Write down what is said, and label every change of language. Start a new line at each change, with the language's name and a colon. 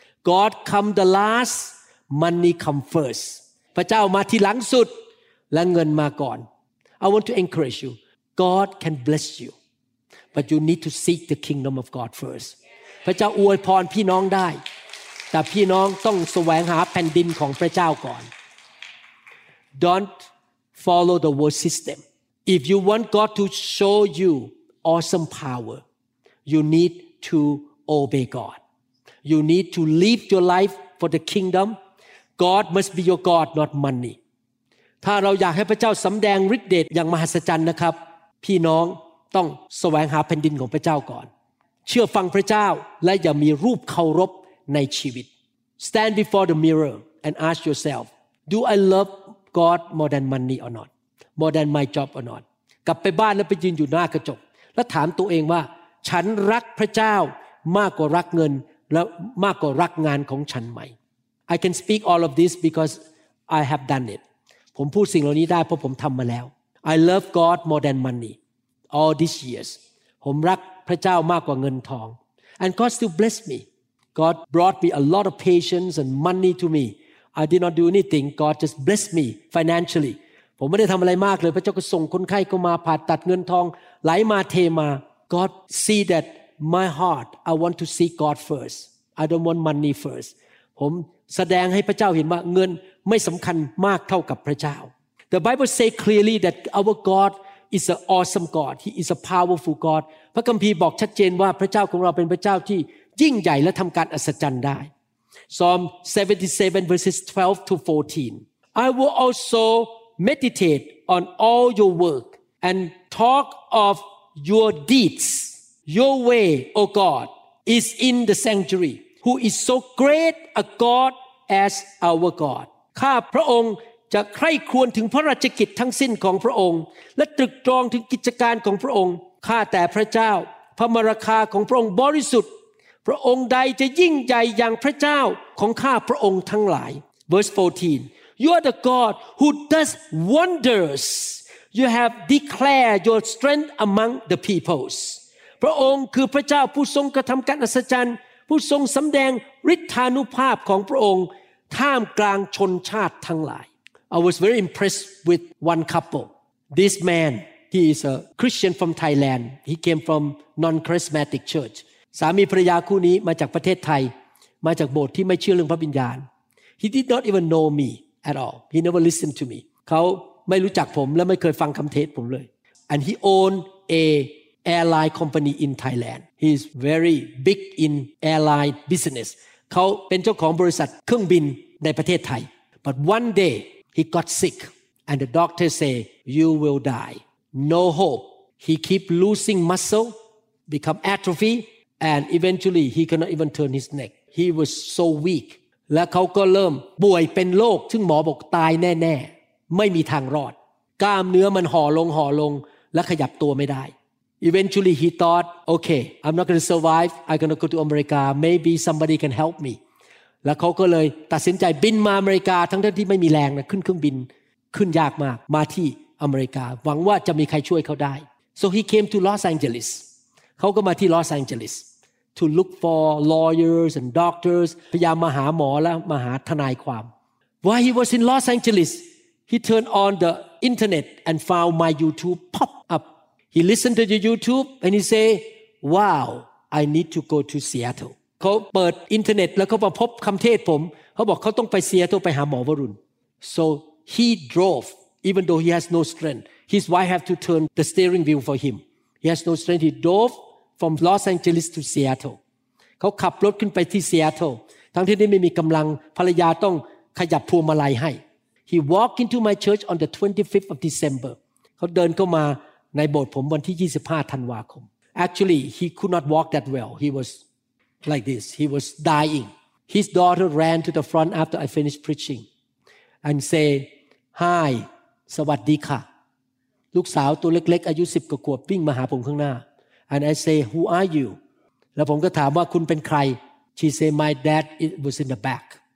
English: God come the last money come first
Thai: พระเจ้ามาที่หลังสุดและเงินมาก่อน
English: I want to encourage you God can bless you but you need to seek the kingdom of God first
Thai: พระเจ้าอวยพรพี่น้องได้แต่พี่น้องต้องแสวงหาแผ่นดินของพระเจ้าก่อน
English: Don'tFollow the world system. If you want God to show you awesome power, you need to obey God. You need to live your life for the kingdom. God must be your God, not money.
Thai: ถ้าเราอยากให้พระเจ้าสำแดงฤทธิ์เดชอย่างมหัศจรรย์นะครับพี่น้องต้องแสวงหาแผ่นดินของพระเจ้าก่อนเชื่อฟังพระเจ้าและอย่ามีรูปเคารพในชีวิต
English: Stand before the mirror and ask yourself, Do I loveGod more than money or not? More than my job or not?
Thai: กลับไปบ้านแล้วไปยืนอยู่หน้ากระจกแล้วถามตัวเองว่าฉันรักพระเจ้ามากกว่ารักเงินและมากกว่ารักงานของฉันไหม
English: I can speak all of this because I have done it.
Thai: ผมพูดสิ่งเหล่านี้ได้เพราะผมทำมาแล้ว
English: I love God more than money. all these years.
Thai: ผมรักพระเจ้ามากกว่าเงินทอง
English: And God still bless me. God brought me a lot of patience and money to me. I did not do anything. God just bless me financially.
Thai: ผมไม่ได้ทำอะไรมากเลยพระเจ้าก็ส่งคนไข้เข้ามาผ่าตัดเงินทองไหลมาเทมา
English: God see that my heart. I want to see God first. I don't want money first.
Thai: ผมแสดงให้พระเจ้าเห็นว่าเงินไม่สำคัญมากเท่ากับพระเจ้า
English: The Bible say clearly that our GodIs an awesome God. He is a powerful God.
Thai: พระคัมภีร์บอกชัดเจนว่าพระเจ้าของเราเป็นพระเจ้าที่ยิ่งใหญ่และทำการอัศจรรย์ได้
English: Psalm 77 verses 12 to 14. I will also meditate on all your work and talk of your deeds. Your way, O God, is in the sanctuary. Who is so great a God as our God?
Thai: ข้าพระองค์จะใคร่ครวญถึงพระราชกิจทั้งสิ้นของพระองค์และตรึกตรองถึงกิจการของพระองค์ข้าแต่พระเจ้าพระมรคาของพระองค์บริสุทธิ์พระองค์ใดจะยิ่งใหญ่อย่างพระเจ้าของข้าพระองค์ทั้งหลาย
English: verse 14 you are the God who does wonders you have declared your strength among the peoples
Thai: พระองค์คือพระเจ้าผู้ทรงกระทำการอัศจรรย์ผู้ทรงสำแดงฤทธานุภาพของพระองค์ท่ามกลางชนชาติทั้งหลาย
English: I was very impressed with one couple. This man, he is a Christian from Thailand. He came from non-charismatic church.
Thai: สามีภรรยาคู่นี้มาจากประเทศไทยมาจากโบสถ์ที่ไม่เชื่อเรื่องพระวิญญาณ
English: He did not even know me at all. He never listened to me.
Thai: เขาไม่รู้จักผมและไม่เคยฟังคำเทศผมเลย
English: And he owned a airline company in Thailand. He is very big in airline business. เขาเป็นเจ้าของบริษัทเครื่องบินในประเทศไทย But one dayHe got sick, and the doctor say, "You will die. No hope." He keep losing muscle, become atrophy, and eventually he cannot even turn his neck. He was so weak.
Thai: และเขาก็เริ่มป่วยเป็นโรคซึ่งหมอบอกตายแน่ๆไม่มีทางรอดกล้ามเนื้อมันห่อลงและขยับตัวไม่ได้
English: Eventually he thought, "Okay, I'm not going to survive. I'm going to go to America. Maybe somebody can help me."
Thai: แล้วเขาก็เลยตัดสินใจบินมาอเมริกาทั้งที่ไม่มีแรงนะขึ้นเครื่องบินขึ้นยากมากมาที่อเมริกาหวังว่าจะมีใครช่วยเขาได้ So he came to Los Angeles เขาก็มาที่ลอสแองเจลิส
English: to look for lawyers and doctors
Thai: พยายามมาหาหมอและมาหาทนายความ
English: While he was in Los Angeles he turned on the internet and found my YouTube pop up he listened to the YouTube and he say wow I need to go to Seattle
Thai: เขาเปิดอินเทอร์เน็ตแล้วเขามาพบคำเทศผมเขาบอกเขาต้องไปเซียโตไปหาหมอวรุณ
English: so he drove even though he has no strength his wife have to turn the steering wheel for him he has no strength he drove from Los Angeles to Seattle
Thai: เขาขับรถขึ้นไปที่เซียโตทั้งที่นี่ไม่มีกำลังภรรยาต้องขยับพวงมาลัยให้
English: he walked into my church on the 25th of December
Thai: เขาเดินเข้ามาในโบสถ์ผมวันที่25ธันวาคม
English: actually he could not walk that well he wasLike this, he was dying. His daughter ran to the front after I finished preaching and say, Hi,
Thai: สวัสดีค่ะ. ลูกสาวตัวเล็กๆอายุ10กว่าขวบวิ่งมาหาผมข้างหน้า.
English: And I say, Who are you?
Thai: แล้วผมก็ถามว่าคุณเป็นใคร?
English: She say, My dad was in the back.